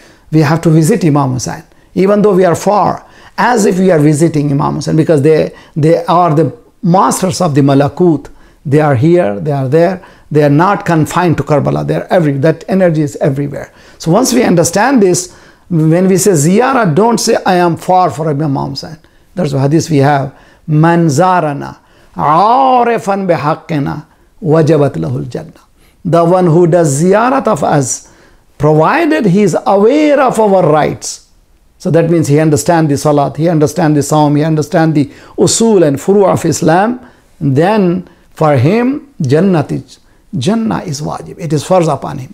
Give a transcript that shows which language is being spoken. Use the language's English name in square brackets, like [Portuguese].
[English] We have to visit Imam Hussain, even though we are far, as if we are visiting Imam Hussain, because they are the masters of the malakut. They are here, they are there. They are not confined to Karbala. They are every, that energy is everywhere. So once we understand this, when we say ziyarah, don't say I am far from Imam Hussain. That's the hadith we have. [Arabic] من زارنا عارفا بحقنا وجبت له الجنة. [English] The one who does ziyarat of us, provided he is aware of our rights. So that means he understands the salat, he understands the saum, he understands the usul and furu of Islam. Then for him, Jannah is wajib. It is farz upon him.